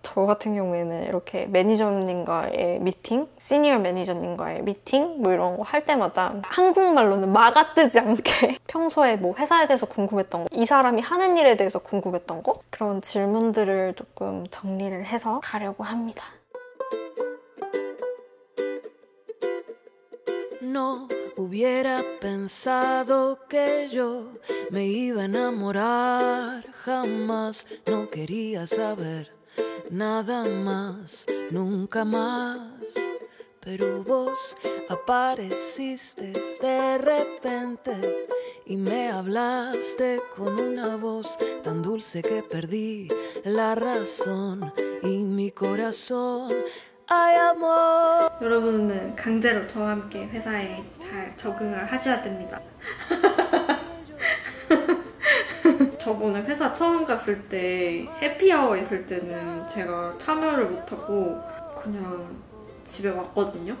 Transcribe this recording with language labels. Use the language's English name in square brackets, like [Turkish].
[Korean] 저 같은 경우에는 이렇게 매니저님과의 미팅, 시니어 매니저님과의 미팅 뭐 이런 거 할 때마다 한국말로는 마가 뜨지 않게 평소에 뭐 회사에 대해서 궁금했던 거, 이 사람이 하는 일에 대해서 궁금했던 거 그런 질문들을 조금 정리를 해서 가려고 합니다. 너 [Spanish] hubiera pensado que yo me iba a enamorar jamás no quería saber nada más nunca más pero vos apareciste de repente y me hablaste con una voz tan dulce que perdí la razón y mi corazón ay amor. [Korean] 여러분은 강제로 저와 함께 회사에 잘 적응을 하셔야 됩니다. 저번에 회사 처음 갔을 때 해피아워 있을 때는 제가 참여를 못하고 그냥 집에 왔거든요.